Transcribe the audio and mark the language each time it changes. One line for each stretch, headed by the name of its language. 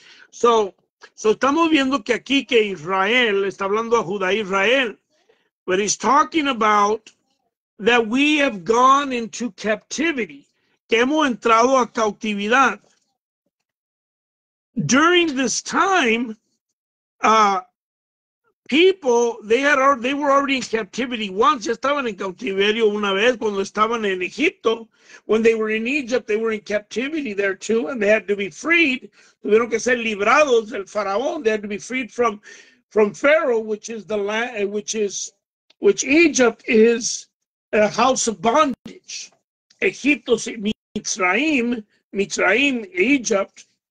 Spanish: So estamos viendo que aquí que Israel está hablando a Judá Israel,
English: but he's talking about that we have gone into captivity,
Spanish: que hemos entrado a cautividad.
English: During this time, people, they were already in captivity once.
Spanish: Ya estaban en cautiverio una vez cuando estaban en Egipto.
English: When they were in Egypt, they were in captivity there too, and they had to be freed.
Spanish: Tuvieron que ser librados del faraón.
English: They had to be freed from Pharaoh, which is the land, which Egypt is a house of bondage.
Spanish: Egipto, Mitzrayim, Egypt.